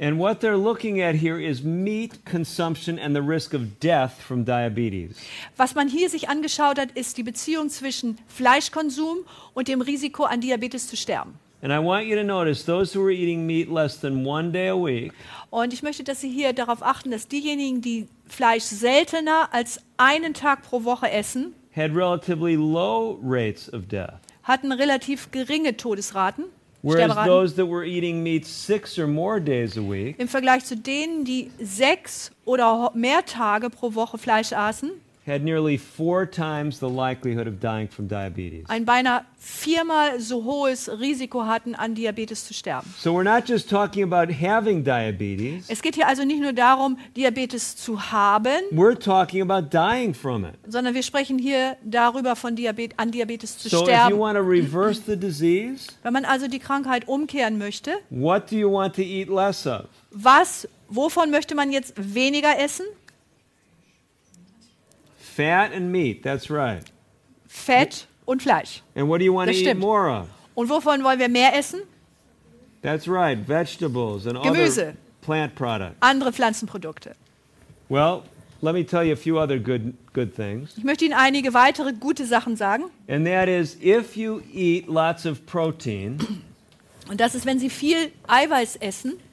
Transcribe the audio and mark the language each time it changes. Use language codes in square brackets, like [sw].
[en] And what they're looking at here is meat consumption and the risk of death from diabetes. [de] Was man hier sich angeschaut hat, ist die Beziehung zwischen Fleischkonsum und dem Risiko an Diabetes zu sterben. [en] And I want you to notice those who were eating meat less than one day a week. [de] Und ich möchte, dass Sie hier darauf achten, dass diejenigen, die Fleisch seltener als einen Tag pro Woche essen, [en] had relatively low rates of death. [de] Hatten relativ geringe Todesraten. [en] Whereas those that were eating meat six or more days a week. [de] Im Vergleich zu denen, die sechs oder mehr Tage pro Woche Fleisch aßen, [en] had nearly four times the likelihood of dying from diabetes. [de] Ein beinahe viermal so hohes Risiko hatten, an Diabetes zu sterben. [en] So we're not just talking about having diabetes. [de] Es geht hier also nicht nur darum, Diabetes zu haben. [en] We're talking about dying from it. [de] Sondern wir sprechen hier darüber, von Diabetes zu [en] so [de] sterben. [en] So if you want to reverse the disease, [de] wenn man also die Krankheit umkehren möchte, [en] what do you want to eat less of? [de] Wovon möchte man jetzt weniger essen? [en] Fat and meat, that's right. [de] Fett und Fleisch. [en] And what do you want to eat more of? [de] Und wovon wollen wir mehr essen? [en] That's right, vegetables and [de] Gemüse. [en] Other plant products. [de] Andere Pflanzenprodukte. [en] Well, let me tell you a few other good things. [de] Ich möchte Ihnen einige weitere gute Sachen sagen. [en] And that is, if you eat lots of protein. [de] Und das ist, wenn Sie viel Eiweiß essen.